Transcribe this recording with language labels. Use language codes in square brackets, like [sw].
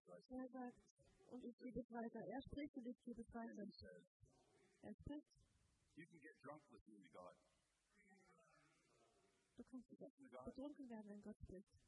[de] Er sagt, und ich gebe es weiter. Er spricht und ich gebe es weiter. Er spricht. [en] You can get drunk with me, God. [de] Du kannst betrunken werden, wenn Gott spricht.